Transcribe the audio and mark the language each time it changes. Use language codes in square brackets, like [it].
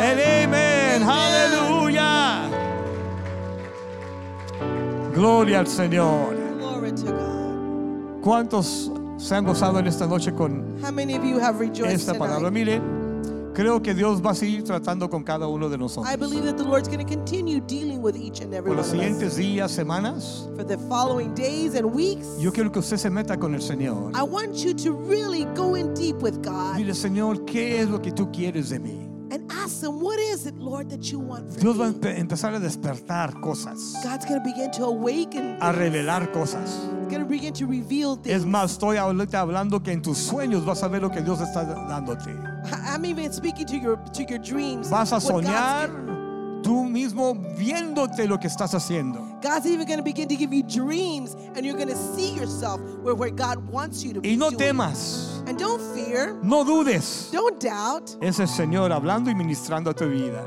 [en] And amen. Hallelujah. [es] Gloria al Señor. [en] Glory to God. [es] ¿Cuántos se han gozado en esta noche con esta palabra? [en] Tonight? [es] Mire, creo que Dios va a seguir tratando con cada uno de nosotros. [en] I believe that the Lord's going to continue dealing with each and every [es] por los siguientes días, semanas. [en] For the following days and weeks. [es] Yo quiero que usted se meta con el Señor. [en] I want you to really go in deep with God. [es] Mire, Señor, ¿qué es lo que tú quieres de mí? [en] And ask him, what is it, Lord, that you want from [es] Dios [en] me? [es] Va a empezar a despertar cosas. [en] God's going to begin to awaken [es] a revelar cosas. [en] He's going to begin to reveal things. [es] Es más, estoy ahorita hablando que en tus sueños vas a ver lo que Dios está dándote. [en] I'm even speaking to your dreams. [es] Vas a soñar tú mismo viéndote lo que estás haciendo. [en] God's even going to begin to give you dreams, and you're going to see yourself where God wants you to be. [es] Y no temas. [en] And don't fear. [es] No dudes. [en] Don't doubt. [es] Es el Señor hablando y ministrando a tu vida.